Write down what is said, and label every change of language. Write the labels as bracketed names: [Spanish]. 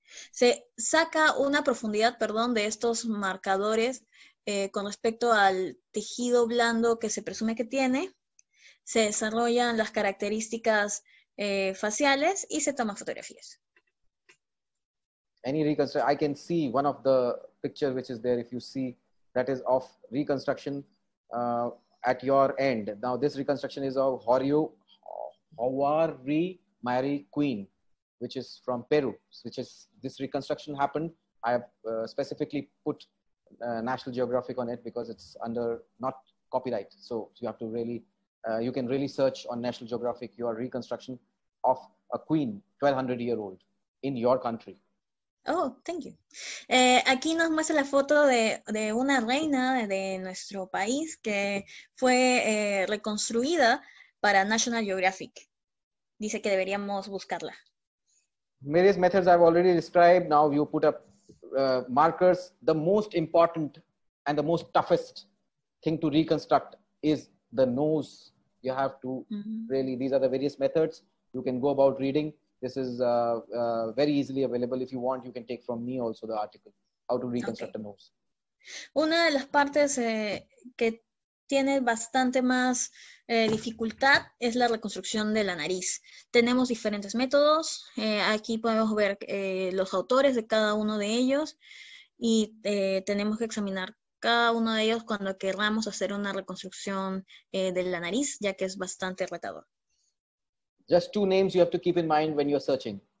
[Spanish] Se saca una profundidad, perdón, de estos marcadores con respecto al tejido blando que se presume que tiene. Se desarrollan las características faciales y se toman fotografías. [English] Any reconstruction, I can see one of the pictures which is there, if you see, that is of reconstruction at your end. Now, this reconstruction is of Howari Mary Queen, which is from Peru, which is, this reconstruction happened. I have specifically put National Geographic on it because it's under, not copyright. So you have to really You can really search on National Geographic your reconstruction of a queen 1200 year old in your country. Oh, thank you. [Spanish] Aquí nos muestra la foto de una reina de nuestro país que fue reconstruida para National Geographic. Dice que deberíamos buscarla. [English] Various methods I've already described. Now you put up markers. The most important and the most toughest thing to reconstruct is the nose. You have to really, these are the various methods. You can go about reading. This is very easily available. If you want, you can take from me also the article, how to reconstruct the nose. [Spanish] Una de las partes que tiene bastante más dificultad es la reconstrucción de la nariz. Tenemos diferentes métodos. Aquí podemos ver los autores de cada uno de ellos y tenemos que examinar cada uno de ellos cuando queramos hacer una reconstrucción de la nariz, ya que es bastante retador. [English] Just two names you have to keep in mind when you're searching.